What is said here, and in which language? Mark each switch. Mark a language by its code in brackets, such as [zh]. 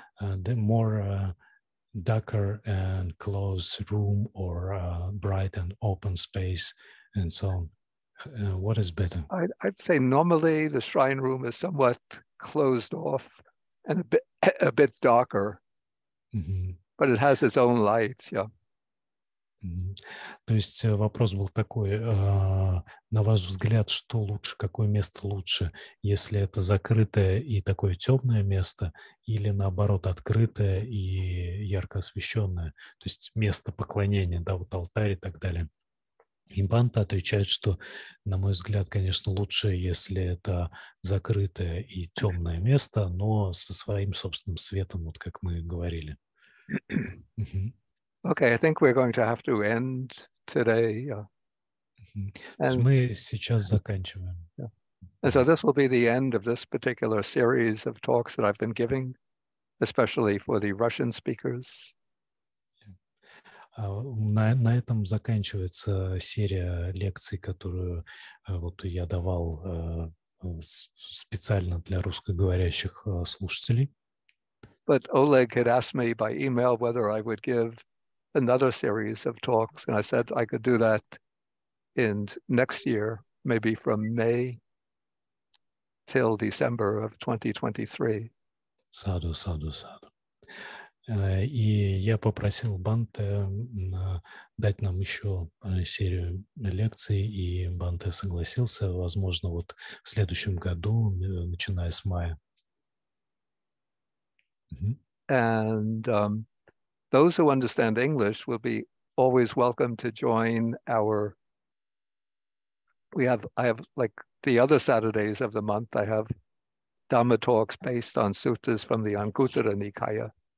[en] The more darker and close room, or bright and open space, and so on? What is better? I'd say normally the shrine room is somewhat closed off and a bit darker, mm-hmm. but it has its own light. Yeah. Mm-hmm. [ru] То есть вопрос был такой: на ваш взгляд, что лучше, какое место лучше, если это закрытое и такое темное место, или наоборот открытое и ярко освещенное, то есть место поклонения, да, вот алтарь и так далее. И Бханта отвечает, что, на мой взгляд, конечно, лучше, если это закрытое и темное место, но со своим собственным светом, вот как мы говорили. [en] Okay, I think we're going to have to end today. Yeah. And [ru] мы сейчас заканчиваем. [en] Yeah. And so this will be the end of this particular series of talks that I've been giving, especially for the Russian speakers. [ru] На этом заканчивается серия лекций, которую вот я давал специально для русскоговорящих слушателей. [en] But Oleg had asked me by email whether I would give another series of talks, and I said I could do that in next year, maybe from May till December of 2023. [pi] Саду, саду, саду. [ru] И я попросил Бханте дать нам еще серию лекций, и Бханте согласился, возможно, вот в следующем году, начиная с мая. [en] And those who understand English will be always welcome to join our... I have like the other Saturdays of the month, I have Dhamma talks based on suttas from the Anguttara Nikaya.